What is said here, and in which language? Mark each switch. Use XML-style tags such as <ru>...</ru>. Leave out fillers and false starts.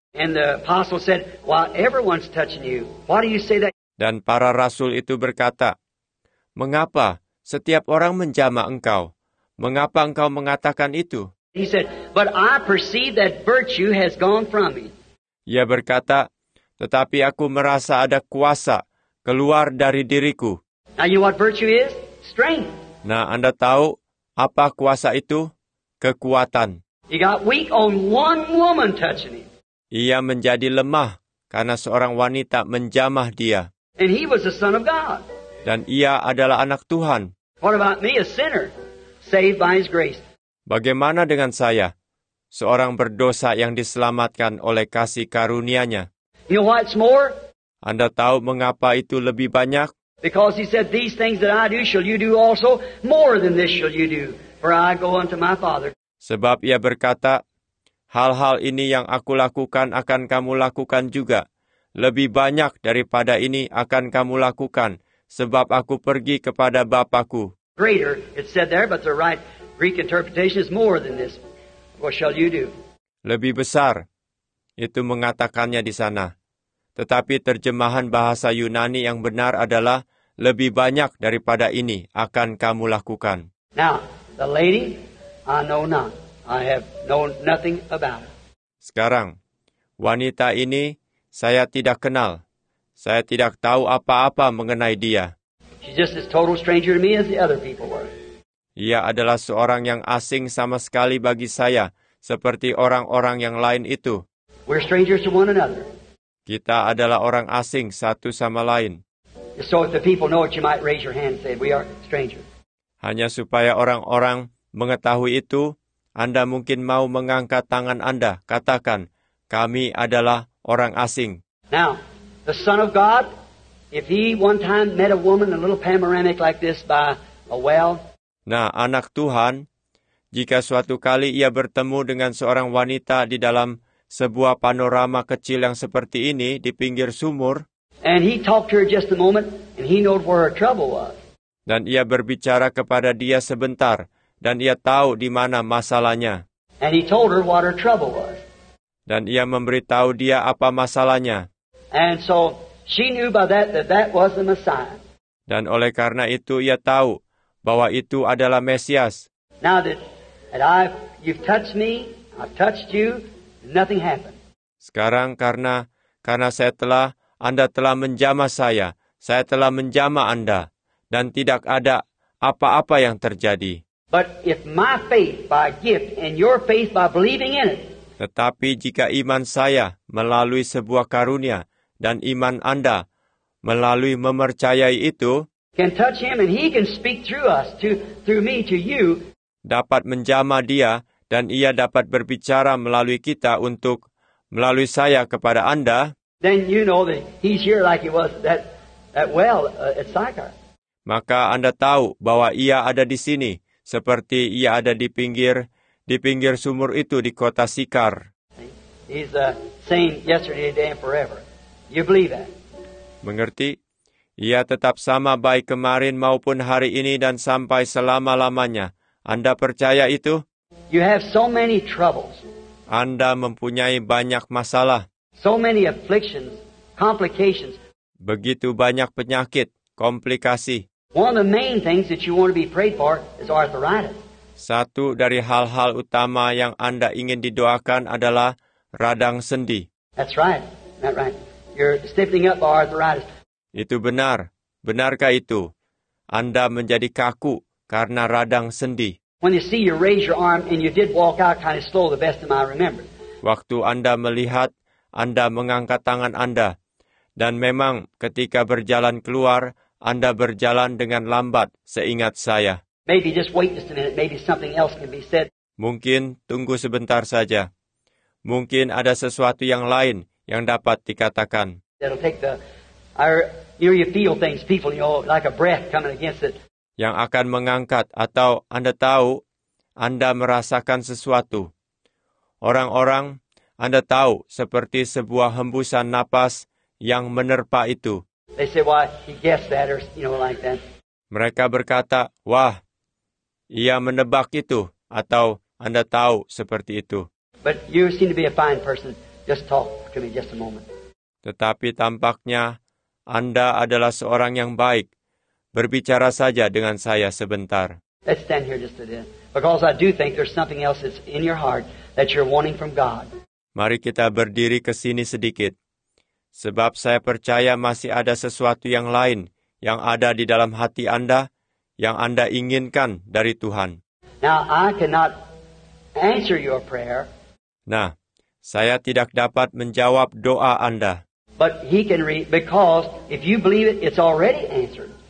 <en>And the apostle said, "While everyone's touching you, why do you say that?"</en> <id>Dan para rasul itu berkata, "Mengapa setiap orang menjamah engkau? Mengapa engkau mengatakan itu?"</id> <en>He said, "But I perceive that virtue has gone from me."</en> <id>Ia berkata, "Tetapi aku merasa ada kuasa keluar dari diriku."</id> <en>Now you know what virtue is? Strength.</en> <id>Nah, Anda tahu apa kuasa itu? Kekuatan.</id> <en>He got weak on one woman touching him.</en> <id>Ia menjadi lemah karena seorang wanita menjamah dia.</id> <en>And he was the son of God.</en> <id>Dan ia adalah anak Tuhan.</id> <en>What about me, a sinner, saved by his grace?</en> <id>Bagaimana dengan saya, seorang berdosa yang diselamatkan oleh kasih karunia-Nya?</id> <en>You know what's more?</en> <id>Anda tahu mengapa itu lebih banyak?</id> <en>Because he said, "These things that I do, shall you do also? More than this shall you do, for I go unto my Father."</en> <id>Sebab ia berkata, "Hal-hal ini yang aku lakukan akan kamu lakukan juga. Lebih banyak daripada ini akan kamu lakukan, sebab aku pergi kepada Bapa-Ku."</id> <en>Greater, it said there, but the right Greek interpretation is more than this. What shall you do?</en> <id>Lebih besar, itu mengatakannya di sana. Tetapi terjemahan bahasa Yunani yang benar adalah, lebih banyak daripada ini akan kamu lakukan.</id> <en>Now, the lady, I know not. I have known nothing about her.</en> <id>Sekarang, wanita ini saya tidak kenal. Saya tidak tahu apa-apa mengenai dia.</id> <en>She's just as total stranger to me as the other people were.</en> <id>Ia adalah seorang yang asing sama sekali bagi saya, seperti orang-orang yang lain itu.</id> <en>We're strangers to one another.</en> <id>Kita adalah orang asing satu sama lain.</id> <en>So if the people know it, you might raise your hand and say, "We are strangers."</en> <id>Hanya supaya orang-orang mengetahui itu, Anda mungkin mau mengangkat tangan Anda, katakan, "Kami adalah orang asing."</id> <en>Now, the Son of God, if he one time met a woman in a little panoramic like this by a well.</en> <id>Nah, anak Tuhan, jika suatu kali ia bertemu dengan seorang wanita di dalam sebuah panorama kecil yang seperti ini di pinggir sumur.</id> <en>And he talked to her just a moment, and he knew where her trouble was.</en> <id>Dan ia berbicara kepada dia sebentar, dan ia tahu di mana masalahnya.</id> <en>And he told her what her trouble was.</en> <id>Dan ia memberitahu dia apa masalahnya.</id> <en>And so she knew by that was the Messiah.</en> <id>Dan oleh karena itu ia tahu bahwa itu adalah Mesias.</id> <en>Now that you've touched me, I've touched you, nothing happened.</en> <id>Sekarang karena Anda telah menjamah saya telah menjamah Anda, dan tidak ada apa-apa yang terjadi.</id> <en>But if my faith by gift and your faith by believing in it.</en> <id>Tetapi jika iman saya melalui sebuah karunia dan iman Anda melalui mempercayai itu,</id> <en>can touch him and he can speak through us to through me to you.</en> <id>Dapat menjamah dia dan ia dapat berbicara melalui kita untuk melalui saya kepada Anda.</id> <en>Then you know that he's here like he was that well at Sychar.</en> <id>Maka Anda tahu bahwa ia ada di sini seperti ia ada di pinggir sumur itu di kota Sychar.</id> <en>He's the same yesterday, today, and forever. You believe that?</en> <id>Mengerti? Ia tetap sama baik kemarin maupun hari ini dan sampai selama-lamanya. Anda percaya itu?</id> <en>You have so many troubles.</en> <id>Anda mempunyai banyak masalah.</id> <en>So many afflictions, complications.</en> <id>Begitu banyak penyakit, komplikasi.</id> <en>One of the main things that you want to be prayed for is arthritis.</en> <id>Satu dari hal-hal utama yang Anda ingin didoakan adalah radang sendi.</id> <en>That's right. That right. You're stiffening up by arthritis.</en> <id>Itu benar. Benarkah itu? Anda menjadi kaku karena radang sendi.</id> <en>When you see you raise your arm and you did walk out kind of slow, the best of my remember.</en> <id>Waktu Anda melihat, Anda mengangkat tangan Anda. Dan memang ketika berjalan keluar, Anda berjalan dengan lambat, seingat saya.</id> <en>Maybe just wait just a minute. Maybe something else can be said.</en> <id>Mungkin tunggu sebentar saja. Mungkin ada sesuatu yang lain yang dapat dikatakan.</id> <en>That'll take the... You feel things, people, you know, like a breath coming against it.</en> <id>Yang akan mengangkat, atau Anda tahu, Anda merasakan sesuatu. Orang-orang, Anda tahu, seperti sebuah hembusan napas yang menerpa itu.</id> <en>They say, "Why, he guessed that," or like that.</en> <id>Mereka berkata, "Wah, ia menebak itu," atau "Anda tahu seperti itu."</id> <en>But you seem to be a fine person. Just talk to me just a moment.</en> <id>Tetapi tampaknya Anda adalah seorang yang baik. Berbicara saja dengan saya sebentar.</id> <en>Let's stand here just a bit. Because I do think there's something else that's in your heart that you're wanting from God.</en> <id>Mari kita berdiri ke sini sedikit. Sebab saya percaya masih ada sesuatu yang lain yang ada di dalam hati Anda yang Anda inginkan dari Tuhan.</id> <en>Now, I cannot answer your prayer.</en> <id>Nah, saya tidak dapat menjawab doa Anda.</id> <en>But he can read, because if you believe it, it's already answered.</en>